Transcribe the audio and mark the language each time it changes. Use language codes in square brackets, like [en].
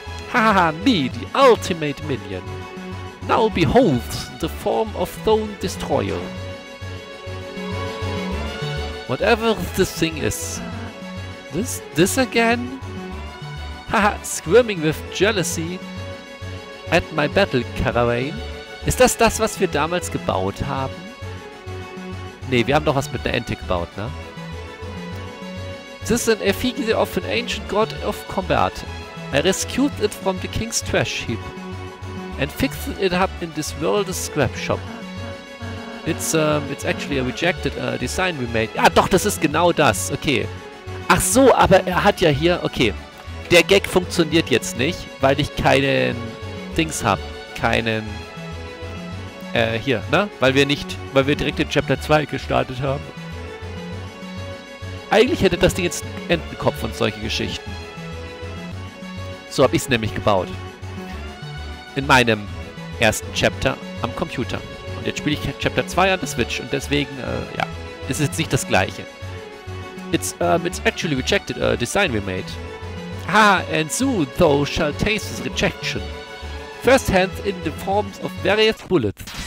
[en] Ha, me, the ultimate minion. Now behold the form of Throne Destroyer. Whatever the thing is. This again? Haha, squirming with jealousy at my battle caravan. [de] Ist das das, was wir damals gebaut haben? Nee, wir haben doch was mit der Ente gebaut, ne? [en] This is an effigy of an ancient god of combat. I rescued it from the king's trash heap and fixed it up in this world's scrap shop. It's actually a rejected design we made. [de] Ja, doch, das ist genau das. [en] Okay. [de] Ach so, aber er hat ja hier. Okay. Der Gag funktioniert jetzt nicht, weil ich keinen Dings hab. Keinen. Hier, ne? Weil wir direkt in Chapter 2 gestartet haben. Eigentlich hätte das Ding jetzt einen Entenkopf und solche Geschichten. So hab ich's nämlich gebaut. In meinem ersten Chapter am Computer. Und jetzt spiele ich Chapter 2 an der Switch. Und deswegen, ja, ist es jetzt nicht das Gleiche. [en] It's actually rejected a design we made. Ha, and soon thou shall taste this rejection. First hand in the forms of various bullets.